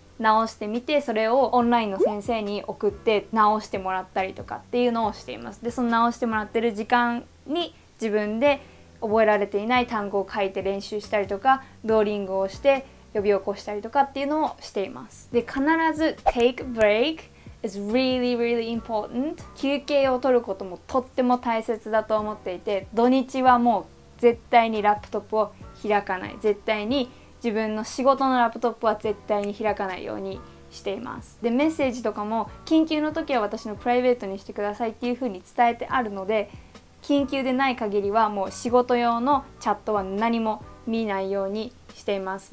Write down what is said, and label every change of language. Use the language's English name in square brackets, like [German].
[Japanese] 直してみてそれをオンラインの先生に送って直してもらったりとかっていうのをしていますでその直してもらってる時間に自分で覚えられていない単語を書いて練習したりとか、ドーリングをして呼び起こしたりとかっていうのをしています。で、必ず [English] take break is really really important。 [Japanese] 休憩を取ることもとっても大切だと思っていて、土日はもう絶対にラップトップを開かない。絶対に自分の仕事のラップトップは絶対に開かないようにしています。で、メッセージとかも緊急の時は私のプライベートにしてくださいっていうふうに伝えてあるので、緊急でない限りはもう仕事用のチャットは何も見ないようにしています。